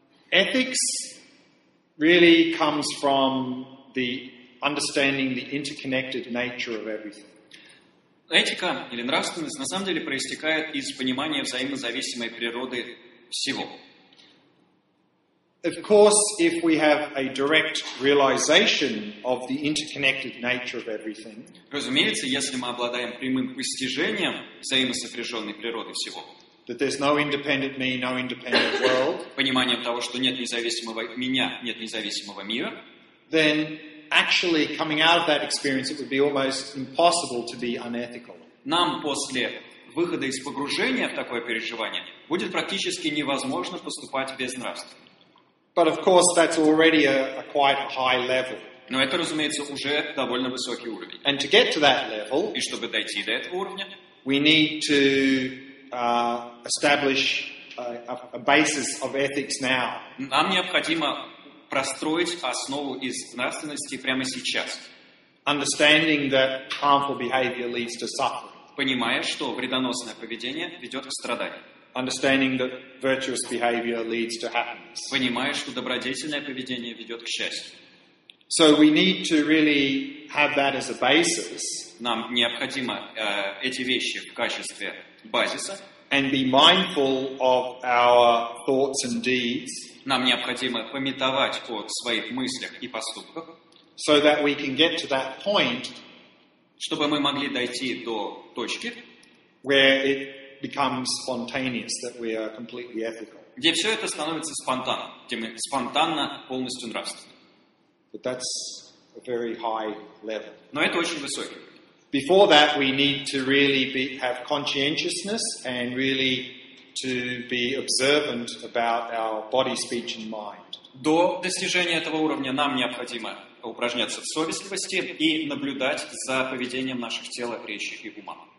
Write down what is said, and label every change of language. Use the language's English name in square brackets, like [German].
[English] Ethics really comes from the understanding the interconnected nature of everything. [Russian] Этика или нравственность на самом деле проистекает из понимания взаимозависимой природы всего. [English] Of course, if we have a direct realization of the interconnected nature of everything, [Russian] разумеется, если мы обладаем прямым постижением взаимосопряженной природы всего, [English] that there's no independent me, no independent world, [Russian] пониманием того, что нет независимого меня, нет независимого мира, [English] then actually, coming out of that experience, it would be almost impossible to be unethical. [Russian] Нам после выхода из погружения в такое переживание будет практически невозможно поступать безнравственно. [English] But of course, that's already a quite high level. [Russian] Но это, разумеется, уже довольно высокий уровень. [English] And to get to that level, [Russian] и чтобы дойти до этого уровня, [English] we need to establish a basis of ethics now. [Russian] Нам необходимо простроить основу из нравственности прямо сейчас. [English] Understanding that harmful behavior leads to suffering. [Russian] Понимая, что вредоносное поведение ведет к страданиям. [English] Understanding that virtuous behavior leads to happiness. [Russian] Понимая, что добродетельное поведение ведет к счастью. [English] So we need to really have that as a basis. [Russian] Нам необходимо эти вещи в качестве базиса. [English] and be mindful of our thoughts and deeds. [Russian] Нам необходимо памятовать о своих мыслях и поступках, [English] so that we can get to that point, [Russian] чтобы мы могли дойти до точки, [English] where it becomes spontaneous, that we are completely ethical. [Russian] Где все это становится спонтанно, где мы спонтанно полностью нравственны. [English] But that's a very high level. [Russian] Но это очень высокий. [English] Before that, we need to really be, have conscientiousness and really to be observant about our body, speech, and mind. [Russian] До достижения этого уровня нам необходимо упражняться в совестливости и наблюдать за поведением наших тел, речи и ума.